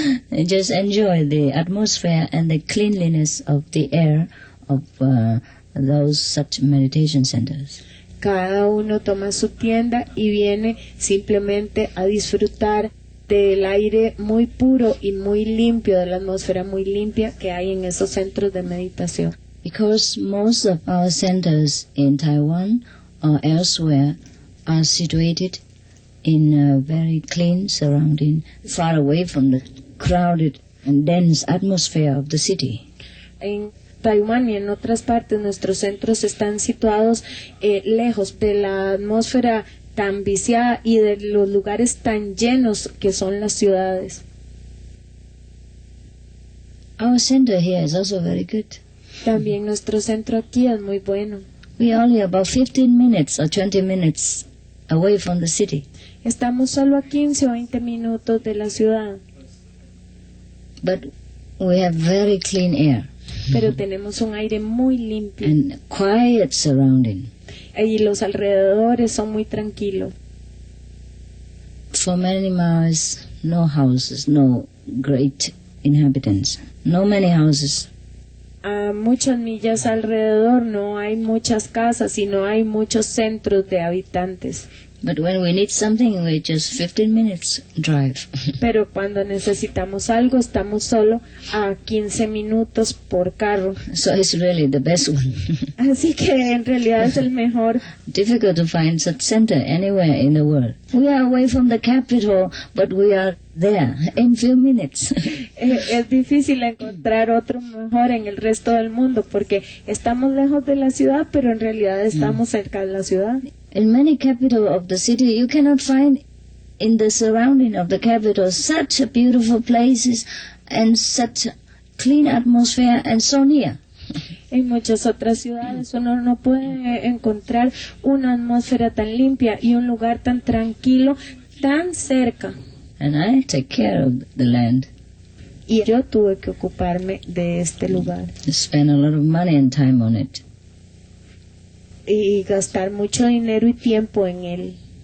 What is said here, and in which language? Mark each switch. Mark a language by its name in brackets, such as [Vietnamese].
[English] And just enjoy the atmosphere and the cleanliness of the air of those such meditation centers. [Spanish] Cada uno toma su tienda y viene simplemente a disfrutar del aire muy puro y muy limpio, de la atmósfera muy limpia que hay en esos centros de meditación. [English] Because most of our centers in Taiwan or elsewhere are situated in a very clean surrounding, far away from the crowded and dense atmosphere of the city. [Spanish] En Taiwán y en otras partes nuestros centros están situados lejos de la atmósfera tan viciada y de los lugares tan llenos que son las ciudades. [English] Our center here is also very good. [Spanish] También nuestro centro aquí es muy bueno. [English] We are only about 15 minutes or 20 minutes away from the city. [Spanish] Estamos solo a 15 o 20 minutos de la ciudad. [English] But we have very clean air. [Spanish] Pero tenemos un aire muy limpio. [English] And quiet surrounding. [Spanish] Y los alrededores son muy tranquilos. [English] For many miles, no houses, no great inhabitants. No many houses. [Spanish] A muchas millas alrededor no hay muchas casas y no hay muchos centros de habitantes. [English] But when we need something, we just 15 minutes drive. [Spanish] Pero cuando necesitamos algo, estamos solo a 15 minutos por carro. [English] So it's really the best one. [Spanish] Así que en realidad es el mejor. [English] Difficult to find such center anywhere in the world. We are away from the capital, but we are there in few minutes. [Spanish] Es difícil encontrar otro mejor en el resto del mundo porque estamos lejos de la ciudad, pero en realidad estamos cerca de la ciudad. [English] In many capitals of the city, you cannot find in the surrounding of the capital such a beautiful places and such clean atmosphere and so near. [Spanish] En muchas otras ciudades uno no puede encontrar una atmósfera tan limpia y un lugar tan tranquilo tan cerca. [English] And I take care of the land. [Spanish] Y yo tuve que ocuparme de este lugar. [English] Spend a lot of money and time on it. [Spanish] Y gastar mucho dinero y tiempo en él.